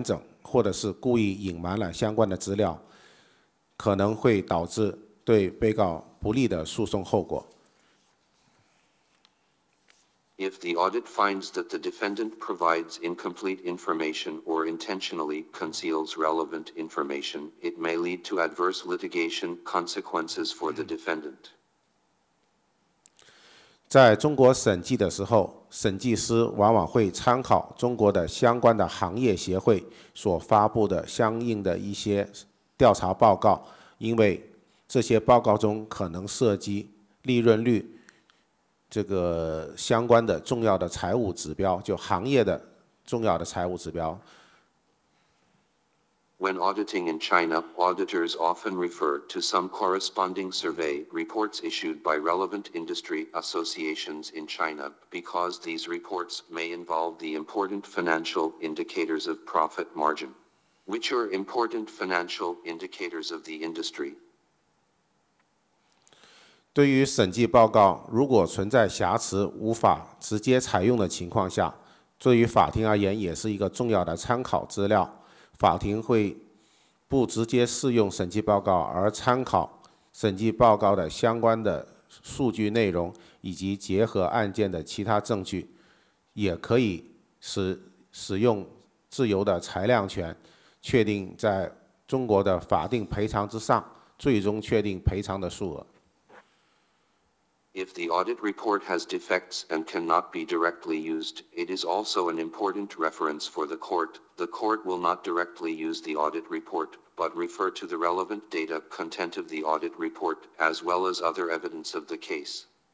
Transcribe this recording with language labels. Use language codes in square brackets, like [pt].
[zh] 如果通过审计发现被告提供的资料不完整，或者是故意隐瞒了相关的资料， 可能会导致对被告不利的诉讼后果。 [en] If the audit finds that the defendant provides incomplete information or intentionally conceals relevant information, it may lead to adverse litigation consequences for the defendant. [zh] 在中国审计的时候, 审计师往往会参考中国的相关的行业协会所发布的相应的一些调查报告, 因为这些报告中可能涉及利润率这个相关的重要的财务指标，就行业的重要的财务指标。 [en] When auditing in China, auditors often refer to some corresponding survey reports issued by relevant industry associations in China because these reports may involve the important financial indicators of profit margin, which are important financial indicators of the industry. [zh] 对于审计报告，如果存在瑕疵无法直接采用的情况下，对于法庭而言也是一个重要的参考资料。法庭会不直接适用审计报告，而参考审计报告的相关的数据内容，以及结合案件的其他证据，也可以使用自由的裁量权，确定在中国的法定赔偿之上，最终确定赔偿的数额。 [en] If the audit report has defects and cannot be directly used, it is also an important reference for the court. The court will not directly use the audit report, but refer to the relevant data content of the audit report, as well as other evidence of the case.